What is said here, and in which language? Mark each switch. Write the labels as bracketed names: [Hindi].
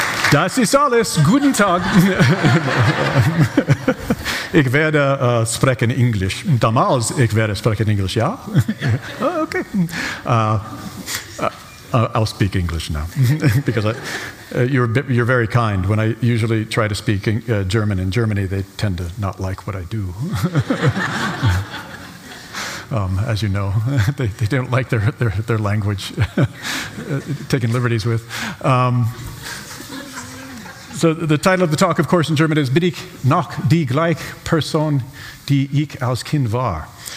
[German] Das ist alles. Guten Tag. Ich werde sprechen Englisch. Damals, ich werde sprechen Englisch, ja? Okay. [English] I'll speak English now. Because you're very kind. When I usually try to speak German in Germany, they tend to not like what I do. As you know, they don't like their language taking liberties with. So the title of the talk, of course, in German is [German] Bin ich noch die gleiche Person, die ich als Kind war.